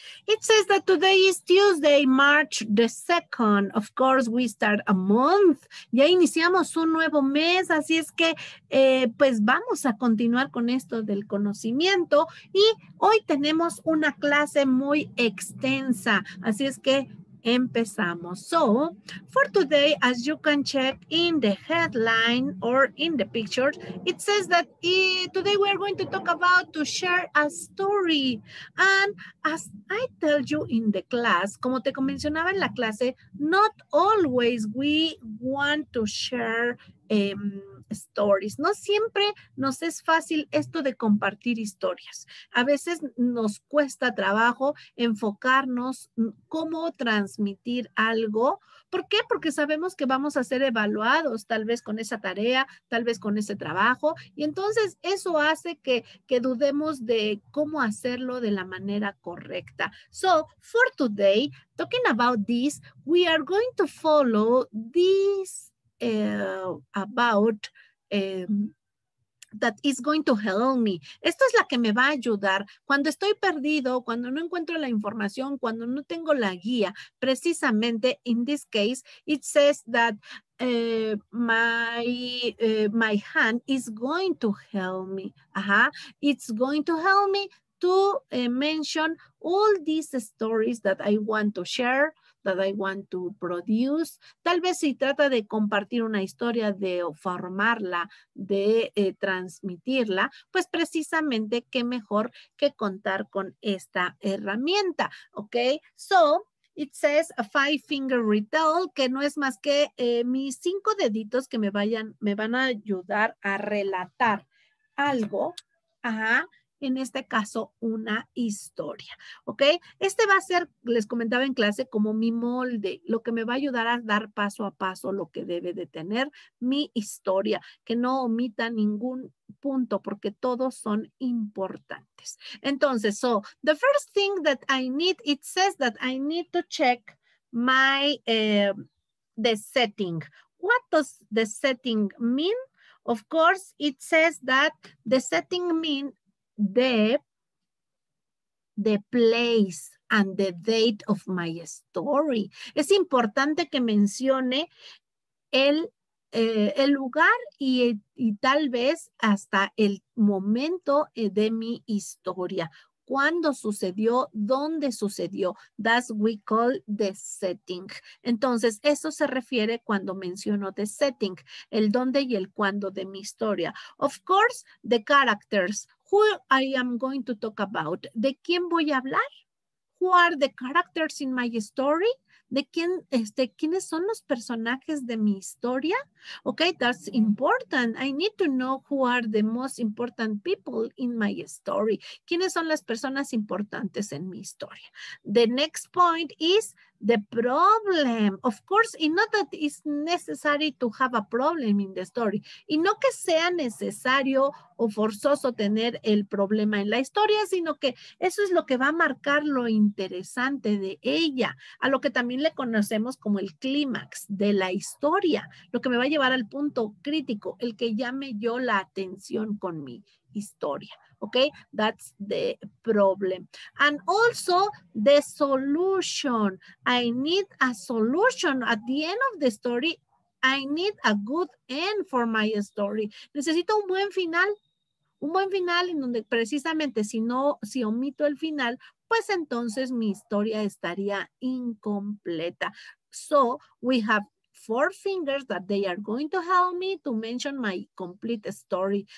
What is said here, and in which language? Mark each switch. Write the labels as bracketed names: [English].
[English] It says that today is Tuesday, March the 2nd. Of course, we start a month. [Spanish] Ya iniciamos un nuevo mes, así es que pues vamos a continuar con esto del conocimiento. Y hoy tenemos una clase muy extensa, así es que empezamos. [English] So, for today, as you can check in the headline or in the picture, it says that today we are going to talk about to share a story. And as I tell you in the class, [Spanish] como te mencionaba en la clase, [English] not always we want to share stories. [Spanish] No siempre nos es fácil esto de compartir historias. A veces nos cuesta trabajo enfocarnos en cómo transmitir algo. ¿Por qué? Porque sabemos que vamos a ser evaluados tal vez con esa tarea, tal vez con ese trabajo. Y entonces eso hace que dudemos de cómo hacerlo de la manera correcta. [English] So, for today, talking about this, we are going to follow this about that is going to help me. [Spanish] Esto es la que me va a ayudar cuando estoy perdido, cuando no encuentro la información, cuando no tengo la guía. [English] Precisamente, in this case, it says that my hand is going to help me. It's going to help me to mention all these stories that I want to share. That I want to produce. [Spanish] Tal vez si trata de compartir una historia, de formarla, de transmitirla, pues precisamente qué mejor que contar con esta herramienta. [English] Ok, so it says a five finger retell, [Spanish] que no es más que mis cinco deditos que me van a ayudar a relatar algo. En este caso, una historia. ¿Ok? Este va a ser, les comentaba en clase, como mi molde, lo que me va a ayudar a dar paso a paso lo que debe de tener mi historia, que no omita ningún punto, porque todos son importantes. [English] Entonces, so, the first thing that I need, it says that I need to check my, the setting. What does the setting mean? Of course, it says that the setting mean the place and the date of my story. [Spanish] Es importante que mencione el lugar y tal vez hasta el momento de mi historia. ¿Cuándo sucedió? ¿Dónde sucedió? [English] That's we call the setting. [Spanish] Entonces, eso se refiere cuando menciono the setting, el dónde y el cuándo de mi historia. [English] Of course, the characters. Who I am going to talk about? [Spanish] ¿De quién voy a hablar? [English] Who are the characters in my story? [Spanish] ¿De quién, quiénes son los personajes de mi historia? [English] Ok, that's important. I need to know who are the most important people in my story. [Spanish] ¿Quiénes son las personas importantes en mi historia? [English] The next point is the problem. Of course, y not that it's necessary to have a problem in the story. [Spanish] Y no que sea necesario o forzoso tener el problema en la historia, sino que eso es lo que va a marcar lo interesante de ella, a lo que también le conocemos como el clímax de la historia, lo que me va a llevar al punto crítico, el que llame yo la atención con mi historia. [English] Ok, that's the problem. And also the solution. I need a solution. At the end of the story, I need a good end for my story. [Spanish] Necesito un buen final. Un buen final en donde precisamente si no, si omito el final, pues entonces mi historia estaría incompleta. [English] So we have four fingers that they are going to help me to mention my complete story.